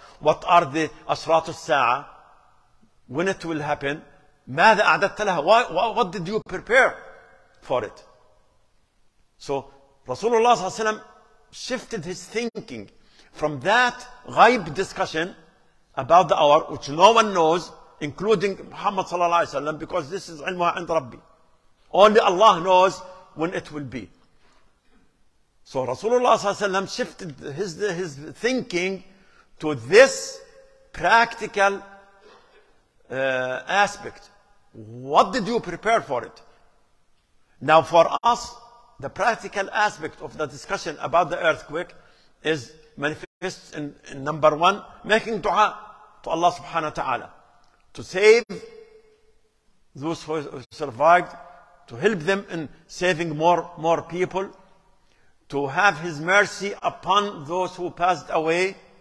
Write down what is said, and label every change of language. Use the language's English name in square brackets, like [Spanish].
[English] What are the ashratu sa'a? When it will happen? [Arabic] ماذا أعددت لها? [English] What did you prepare for it? So Rasulullah صلى الله عليه وسلم shifted his thinking from that ghaib discussion about the hour, which no one knows, including Muhammad صلى الله عليه وسلم, because this is [Arabic] علمها عند ربي. [English] Only Allah knows when it will be. So Rasulullah صلى الله عليه وسلم shifted his thinking to this practical aspect. What did you prepare for it? Now for us, the practical aspect of the discussion about the earthquake is manifest in number one, making dua to Allah subhanahu wa ta'ala to save those who survived, to help them in saving more people, to have his mercy upon those who passed away.